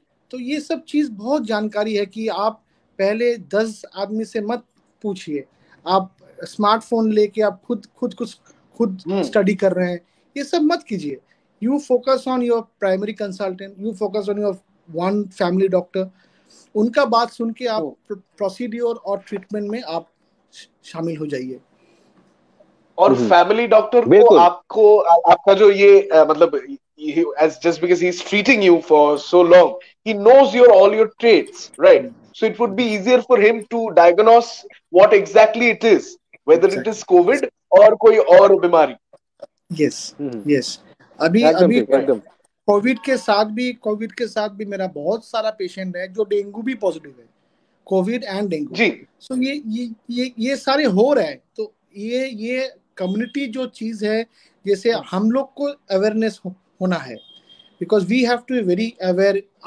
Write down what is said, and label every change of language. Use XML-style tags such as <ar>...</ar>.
<hi>तो ये सब चीज बहुत जानकारी है कि आप पहले 10 आदमी से मत पूछिए, आप स्मार्टफोन लेके आप खुद स्टडी कर रहे हैं, ये सब मत कीजिए,</hi> <en>you focus on your primary consultant, you focus on your one family doctor,</en> <hi>उनका बात सुन के आप प्रोसीड्योर और ट्रीटमेंट में आप शामिल हो जाइए। और फैमिली डॉक्टर को आपको आपका जो ये मतलब</hi> <en>as just because he's treating you for so long, he knows your all your traits, right? So it would be easier for him to diagnose what exactly it is, whether it is COVID or</en> <hi>koi aur bimari.</hi> <en>Yes, yes.</en> <hi>अभी Covid के साथ भी मेरा बहुत सारा patient है जो dengue भी पॉजिटिव है, कोविड एंड डेंगू जी। सो ये सारे हो रहे हैं, तो ये कम्युनिटी जो चीज है, जैसे हम लोग को अवेयरनेस होना है,</hi> <en>Because we have to be very aware.</en>